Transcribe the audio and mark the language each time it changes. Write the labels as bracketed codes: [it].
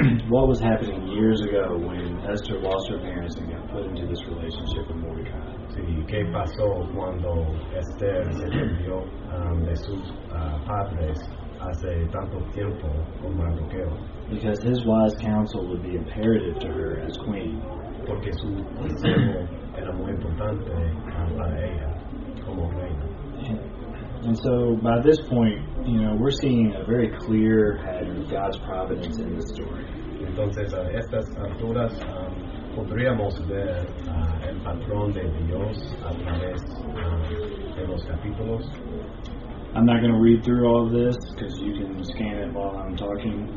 [en] What was happening years ago when Esther lost her parents and got put into this relationship with Mordecai? [es] ¿Qué pasó cuando Esther se perdió de sus padres hace tanto tiempo con Mardoqueo? [en] Because his wise counsel would be imperative to her as queen. [es] Porque su consejo era muy importante para ella como reina. [en] And so by this point, you know, we're seeing a very clear pattern of God's providence in this story. [es] Entonces, a estas alturas, podríamos ver el patrón de Dios a través de los capítulos. [en] I'm not going to read through all of this because you can scan it while I'm talking.